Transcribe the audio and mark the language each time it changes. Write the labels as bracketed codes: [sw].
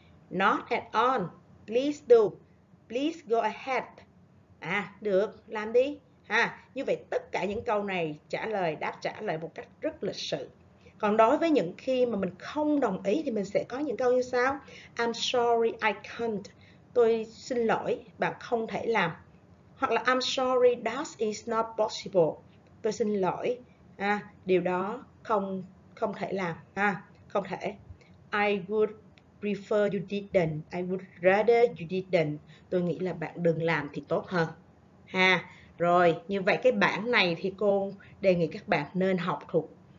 [en] Not at all. Please do. Please go ahead. [vi] Được, làm đi. Như vậy tất cả những câu này trả lời, đáp trả lời một cách rất lịch sự. Còn đối với những khi mà mình không đồng ý thì mình sẽ có những câu như sau. [en] I'm sorry, I can't. [vi] Tôi xin lỗi, bạn không thể làm. Hoặc là [en] I'm sorry, that is not possible. [vi] Tôi xin lỗi, điều đó không thể làm. Không thể. [en] I would prefer you didn't. I would rather you didn't. [vi] Tôi nghĩ là bạn đừng làm thì tốt hơn. Rồi, như vậy cái bản này thì cô đề nghị các bạn nên học thuộc.